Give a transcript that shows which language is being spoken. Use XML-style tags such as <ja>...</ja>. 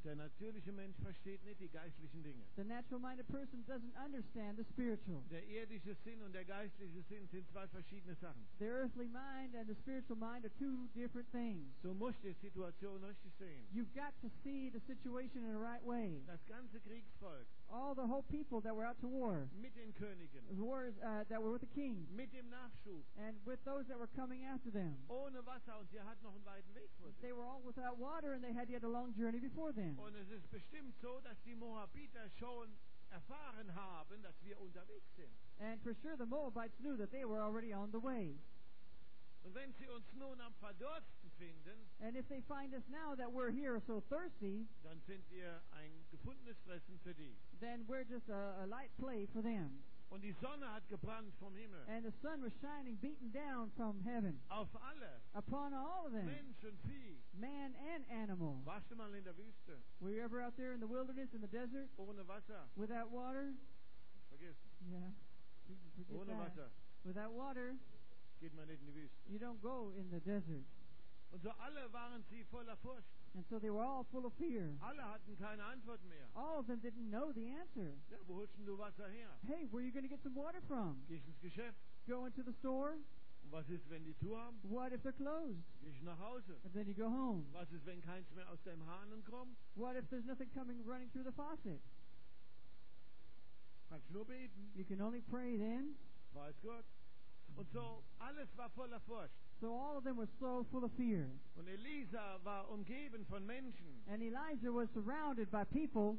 <de>Der natürliche Mensch versteht nicht die geistlichen Dinge.</de> <en>The natural-minded person doesn't understand the spiritual.</en> <de>Der irdische Sinn und der geistliche Sinn sind zwei verschiedene Sachen.</de> <en>The earthly mind and the spiritual mind are two different things.</en> <de>Du musst die Situation richtig sehen.</de> <en>You've got to see the situation in the right way.</en> <de>Das ganze Kriegsvolk.</de> <en>All the whole people that were out to war.</en> <de>Mit den Königen.</de> <en>That were with the king.</en> <de>Mit dem Nachschub.</de> <en>And with those that were coming after them.</en> <de>Ohne Wasser und sie hatten noch einen weiten Weg vor sich.</de> <en>They were all without water. And they had yet a long journey before them.</en> <de>Und es ist bestimmt so, dass die Moabiter schon erfahren haben, dass wir unterwegs sind.</de> <en>And for sure the Moabites knew that they were already on the way.</en> <de>Und wenn sie uns nun am Verdursten finden,</de> <en>and if they find us now that we're here so thirsty,</en> <de>dann sind wir ein gefundenes Fressen für die.</de> <en>Then we're just a light play for them.</en> <de>Und die Sonne hat gebrannt vom Himmel.</de> <en>And the sun was shining, beaten down from heaven.</en> <de>Auf alle.</de> <en>Upon all of them.</en> <de>Mensch und Vieh.</de> <en>Man and animal.</en> <de>Warst du mal in der Wüste?</de> <en>Were you ever out there in the wilderness, in the desert?</en> <de>Ohne Wasser.</de> <en>Without water?</en> <de>Vergiss.</de> <en>Yeah. Forget</en> <de>ohne</de> <en>that.</en> <de>Wasser.</de> <en>Without water?</en> <de>Geht man nicht in die Wüste.</de> <en>You don't go in the desert.</en> <de>Und so alle waren sie voller Furcht.</de> <en>And so they were all full of fear.</en> <de>Alle hatten keine Antwort mehr.</de> <en>All of them didn't know the answer.</en> <de>Ja, wo holst du Wasser her?</de> <en>Hey, where are you going to get some water from?</en> <de>Gehst ins Geschäft.</de> <en>Go into the store.</en> <de>Was ist, wenn die zu haben?</de> <en>What if they're closed?</en> <de>Gehst nach Hause.</de> <en>And then you go home.</en> <de>Was ist, wenn keins mehr aus dem Hahnen kommt?</de> <en>What if there's nothing coming running through the faucet?</en> <de>Kannst nur beten.</de> <en>You can only pray then.</en> <de>Weiß Gott. Und so alles war voller Furcht.</de> <en>So all of them were so full of fear.</en> <de>Und Elisa war umgeben von Menschen.</de> <en>And Elijah was surrounded by people.</en>